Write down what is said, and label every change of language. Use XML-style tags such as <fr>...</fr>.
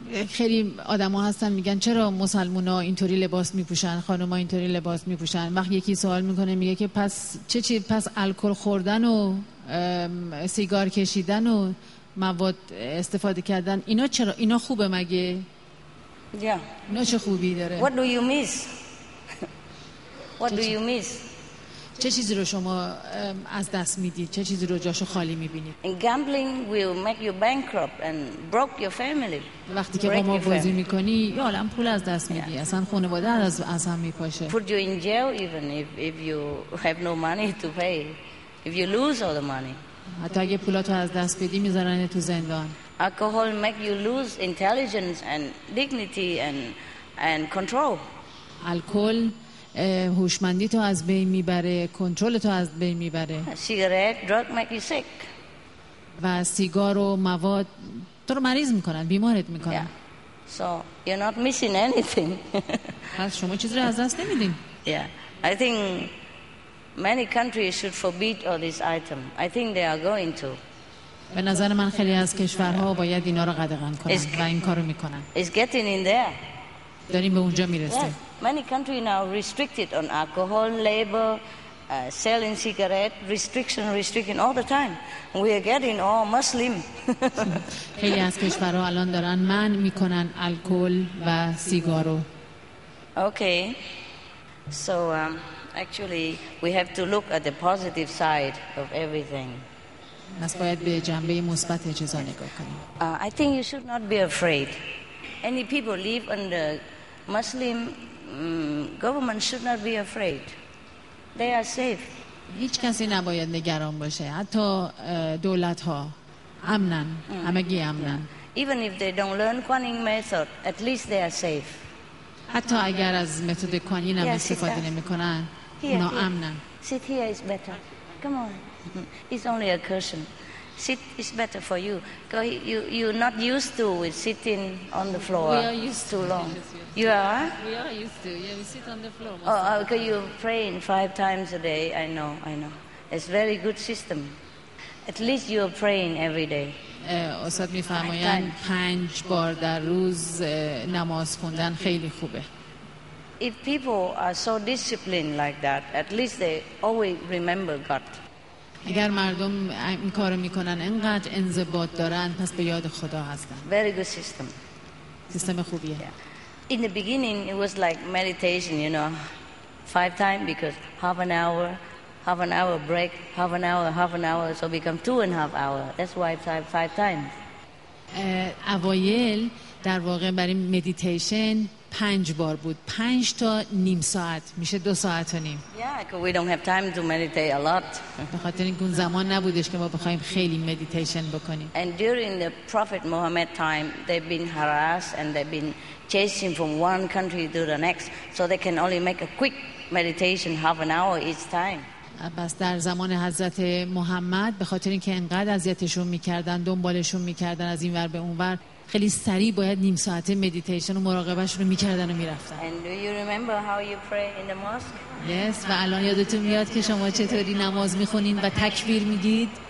<fa>خیلی آدم ها هستن میگن چرا مسلمان ها اینطوری لباس میپوشن خانم ها اینطوری لباس میپوشن وقت یکی سوال میکنه میگه که پس چه چی پس الکل خوردن و سیگار کشیدن و مواد استفاده کردن اینا چرا اینا خوبه مگه اینا چه خوبی داره</fa> <en>What do you miss? What do you miss?</en> <fa>چه چیزی رو شما از دست میدید چه چیزی رو جاشو خالی میبینید</fa> <en>Gambling will make you bankrupt and broke your family.</en> <fa>وقتی که قمار بازی میکنی یا الان پول از دست میدی اصلا خانواده از هم میپاشه</fa> <en>Put you in jail even if you have no money to pay if you lose all the money.</en> <fa>حتی اگه پولاتو از دست بدی میذارن تو زندان.</fa> <en>Alcohol make you lose intelligence and dignity and control.</en> <fa>الکل هوشمندی تو از بین میبره، کنترل تو از بین میبره.</fa> <en>Cigarette drug make you sick.</en> <fa>و سیگار و مواد تو رو مریض میکنن، بیمارت میکنن.</fa> <en>Yeah. So you're not missing anything.</en> <fa>پس شما چیزی رو از دست نمیدین.</fa> <en>Yeah. I think many countries should forbid all this item. I think they are going to.</en> <fa>به نظر من خیلی از کشورها باید اینا رو قدغن کنن و این کارو میکنن.</fa> <en>It's getting in there.</en> <fa>داریم به اونجا میرسیم.</fa> <en>Yes. Many countries now restricted on alcohol, labor, selling cigarette, restriction all the time. We are getting all Muslim.</en> <fa>خیلی از کشورها الان دارن منع میکنن الکل و سیگارو.</fa> <en>Okay. So actually we have to look at the positive side of everything.</en> <fa>باید به جنبه مثبت چیزا نگاه کنیم.</fa> <en>I think you should not be afraid. Any people live under Muslim government should not be afraid. They are safe.</en> <fa>هیچ کسی نباید نگران باشه. حتی دولت ها امنن. همگی امنن.</fa> <en>Even if they don't learn Kuan Yin method, at least they are safe.</en> <fa>حتی اگر از متد کوانین هم استفاده نمی‌کنن اونا امنن.</fa> <en>Sit here is better. Come on. It's only a cushion. Sit is better for you. You're not used to with sitting on the floor. We are used too to. Long. Yes. You are? We are used to. Yeah, we sit on the floor. Oh, okay, you pray in 5 times a day. I know. It's very good system. At least you are praying every day.</en> <fa>استاد می‌فرمایند 5 بار در روز نماز خوندن خیلی خوبه.</fa> <en>If people are so disciplined like that, at least they always remember God.</en> <fa>اگر مردم این کارو میکنن انقدر انضباط دارن پس به یاد خدا هستن.</fa> <en>Very good system.</en> <fa>سیستم خوبیه. Yeah.</fa> <en>In the beginning it was like meditation, you know. 5 times because half an hour break, so become 2.5 hours. That's why five times.</en> <fa>اوایل در واقع برای مدیتیشن 5 بار بود. 5 تا نیم ساعت میشه 2 ساعت و نیم.</fa> <en>Yeah, because we don't have time to meditate a lot.</en> <fa>به خاطر اینکه زمان نبودش که ما بخوایم خیلی مدیتیشن بکنیم.</fa> <en>And during the Prophet Muhammad time, they've been harassed and they've been chasing from one country to the next, so they can only make a quick meditation half an hour each time.</en> <fa>بس در زمان حضرت محمد به خاطر اینکه انقدر اذیتشون میکردن دنبالشون میکردن از این ور به اون ور خیلی سریع باید نیم ساعته مدیتیشن و مراقبهش رو میکردن و میرفتن.</fa> <en>And do you remember how you pray in the mosque? Yes.</en> <fa>و الان یادتون میاد که شما چطوری نماز میخونین و تکبیر میگید؟</fa>